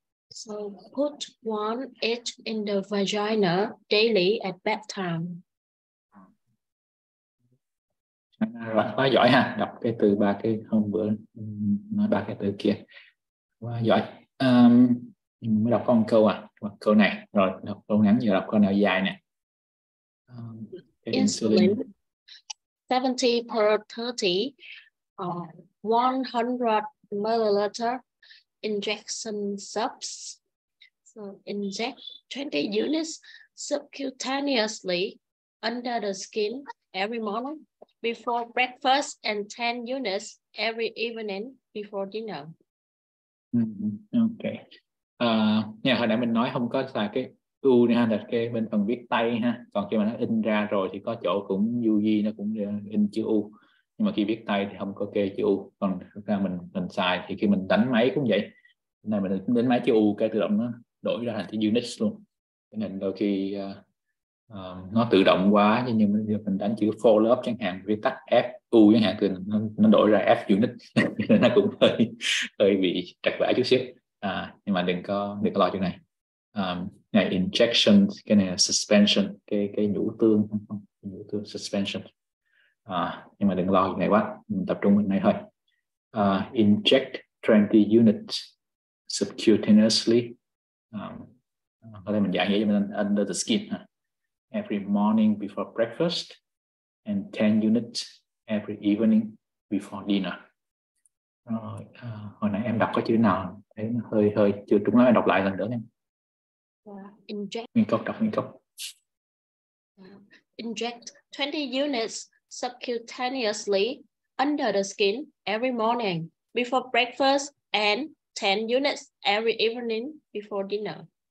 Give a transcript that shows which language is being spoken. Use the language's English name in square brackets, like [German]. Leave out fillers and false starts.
[English] So put one each in the vagina daily at bedtime. [Vietnamese] Rồi, quá giỏi ha. Đọc cái từ ba cái hôm bữa nói ba cái từ kia. Quá giỏi. Mình mới đọc có một câu à, một câu này rồi đọc câu ngắn vừa đọc câu nào dài nè. [English] Insulin 70 per 30 100 milliliter injection subs. So inject 20 units subcutaneously under the skin every morning before breakfast and 10 units every evening before dinner. Ok. [Vietnamese] Nhà hồi nãy mình nói không có xài cái u nè, là cái bên phần viết tay ha. Còn khi mà nó in ra rồi thì có chỗ cũng u di, nó cũng in chữ u. Nhưng mà khi viết tay thì không có kê chữ u. Còn thực ra mình xài thì khi mình đánh máy cũng vậy. Này mình đánh máy chữ u cái tự động nó đổi ra thành units luôn. Nên đôi khi nó tự động quá, nhưng mà mình đánh chữ for loop chẳng hạn, viết tắt f u chẳng hạn, thì nó đổi ra f unit. Nó cũng hơi bị trật vã chút xíu. Nhưng mà đừng có lo chuyện này. Này injection, cái này là suspension, cái nhũ tương, nhũ tương suspension. Nhưng mà đừng lo chuyện này quá, mình tập trung mình này thôi. [English] Inject 20 units subcutaneously. [Vietnamese] Có thể mình giải nghĩa cho mình [English] under the skin [Vietnamese] ha. [English] Every morning before breakfast and 10 units every evening before dinner. [Vietnamese] Rồi, hồi nãy em đọc có chữ nào thấy hơi chưa trúng lắm, em đọc lại lần nữa nha. [English] Inject 20 units subcutaneously under the skin every morning before breakfast and 10 units every evening before dinner.